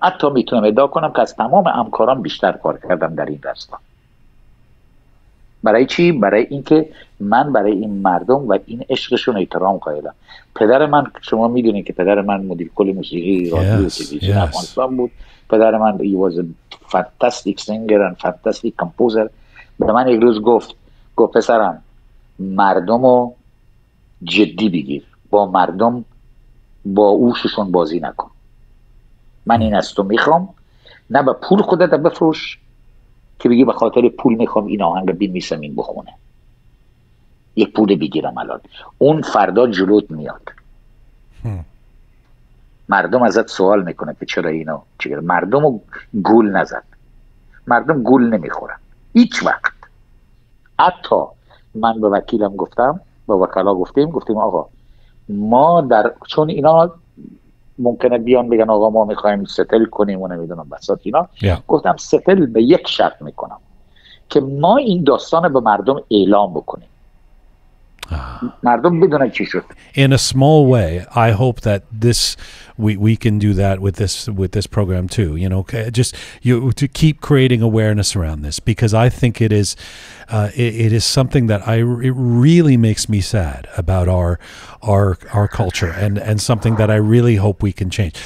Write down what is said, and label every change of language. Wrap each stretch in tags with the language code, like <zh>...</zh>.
<fa>حتی میتونم ادعا کنم که از تمام همکاران بیشتر کار کردم در این راستا. برای چی؟ برای اینکه من برای این مردم و این عشقشون احترام قائلم. پدر من، شما میدونید که پدر من مدیر کل موسیقی افغانستان بود. پدر من</fa> <en>he was a fantastic singer and fantastic composer.</en> <fa>به من یک روز گفت پسرم مردم رو جدی بگیر، با مردم با اوششون بازی نکن. من این از تو میخوام، نه به پول خودت بفروش که بگی به خاطر پول میخوام این آهنگ بین میسم این بخونه، یک پول بگیرم الان، اون فردا جلوت میاد. مردم ازت سوال میکنه که چرا اینا چیکار. مردم رو گول نزد، مردم گول نمیخورن هیچ وقت. حتی من به وکیلم گفتم، به وکلا گفتیم آقا ما در، چون اینا ممکنه بیان بگن آقا ما میخواییم ستل کنیم و نمیدونم بسات اینا. گفتم ستل به یک شرط میکنم که ما این داستان به مردم اعلام بکنیم. مردم بدونن چی شد.</fa> <en>In a small way, I hope that this we can do that with this program too. You know, just you to keep creating awareness around this, because I think it is something that it really makes me sad about our culture and something that I really hope we can change.</en>